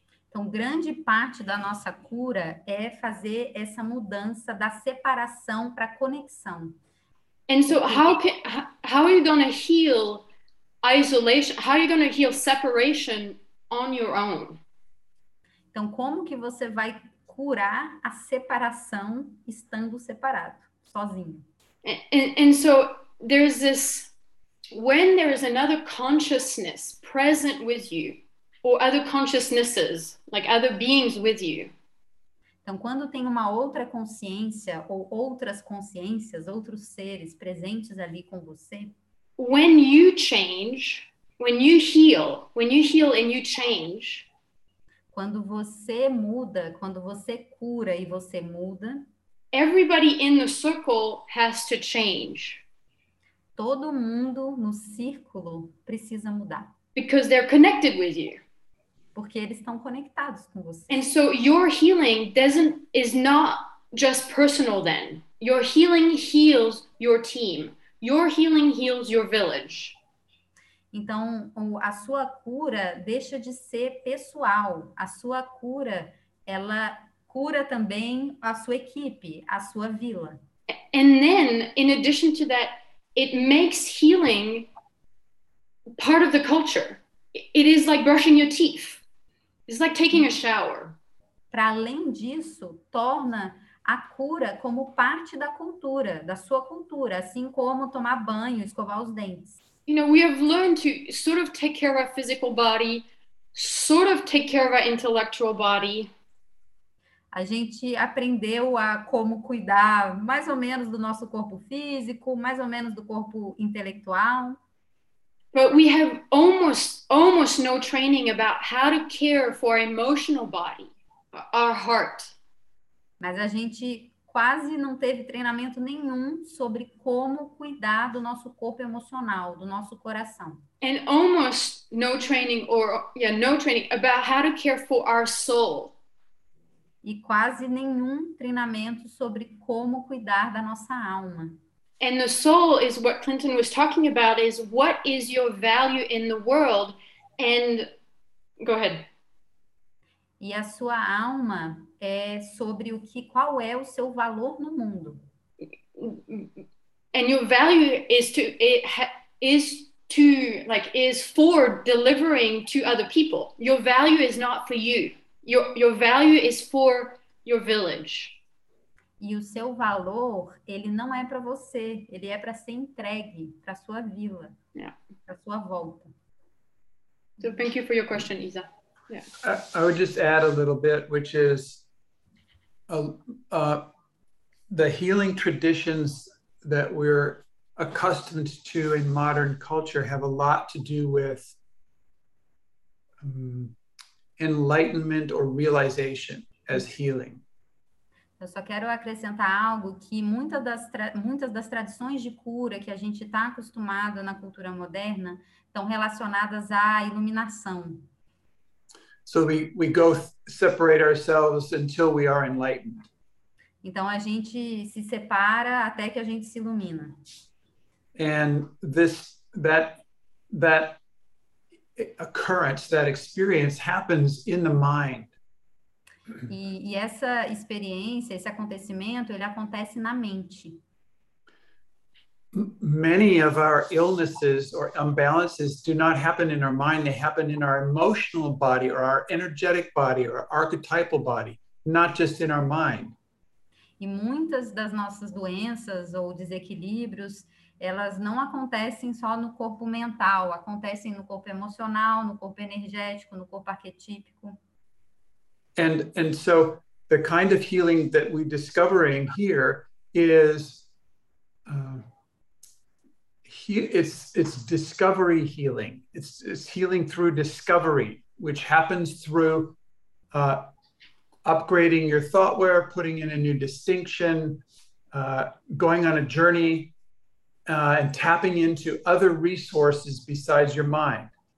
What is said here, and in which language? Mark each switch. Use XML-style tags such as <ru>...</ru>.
<pt>Então, grande parte da nossa cura é fazer essa mudança da separação para conexão.</pt> <en>And so how are you going to heal isolation? How are you going to heal separation on your own?</en> <pt>Então, como que você vai curar a separação estando separado, sozinho?</pt> <en>And so there's this, when there is another consciousness present with you, or other consciousnesses, like other beings with you.</en> <pt>Então, quando tem uma outra consciência ou outras consciências, outros seres presentes ali com você.</pt> <en>When you change, when you heal and you change.</en> <pt>Quando você muda, quando você cura e você muda.</pt> <en>Everybody in the circle has to change.</en> <pt>Todo mundo no círculo precisa mudar.</pt> <en>Because they're connected with you.</en> <pt>Porque eles estão conectados com você.</pt> <en>And so your healing is not just personal then. Your healing heals your team. Your healing heals your village.</en> <pt>Então, a sua cura deixa de ser pessoal. A sua cura, ela cura também a sua equipe, a sua vila.</pt> <en>And then, in addition to that, it makes healing part of the culture. It is like brushing your teeth. It's like taking a shower.</en> <pt>Para além disso, torna a cura como parte da cultura, da sua cultura, assim como tomar banho, escovar os dentes.</pt> <en>You know, we have learned to sort of take care of our physical body, sort of take care of our intellectual body.</en> <pt>A gente aprendeu a como cuidar mais ou menos do nosso corpo físico, mais ou menos do corpo intelectual.</pt> <en>But we have almost no training about how to care for our emotional body, our heart.</en> <pt>Mas a gente quase não teve treinamento nenhum sobre como cuidar do nosso corpo emocional, do nosso coração.</pt> <en>And almost no training about how to care for our soul.</en> <pt>E quase nenhum treinamento sobre como cuidar da nossa alma.</pt> <en>And the soul is what Clinton was talking about, is what is your value in the world? And go ahead.</en> <pt>E a sua alma é sobre qual é o seu valor no mundo.</pt> <en>And your value is for delivering to other people. Your value is not for you. Your value is for your village.</en> <pt>E o seu valor, ele não é para você, ele é para ser entregue para sua vila, para sua volta.</pt> <en>So thank you for your question, Isa. Yeah. I would just add a little bit, which is the healing traditions that we're accustomed to in modern culture have a lot to do with enlightenment or realization. as healing.</en> <pt>Eu só quero acrescentar algo, que muitas das tradições de cura que a gente está acostumado na cultura moderna estão relacionadas à iluminação.</pt> <en>So we go separate ourselves until we are enlightened.</en> <pt>Então a gente se separa até que a gente se ilumina.</pt> <en>And that occurrence, that experience happens in the mind.</en> <pt>E essa experiência, esse acontecimento, ele acontece na mente.</pt> <en>Many of our illnesses or imbalances do not happen in our mind, they happen in our emotional body or our energetic body or archetypal body, not just in our mind.</en> <pt>E muitas das nossas doenças ou desequilíbrios, elas não acontecem só no corpo mental, acontecem no corpo emocional, no corpo energético, no corpo arquetípico.</pt> <en>And so the kind of healing that we're discovering here is it's discovery healing. It's healing through discovery, which happens through upgrading your thought aware, putting in a new distinction, going on a journey, and tapping into other resources besides your mind.</en>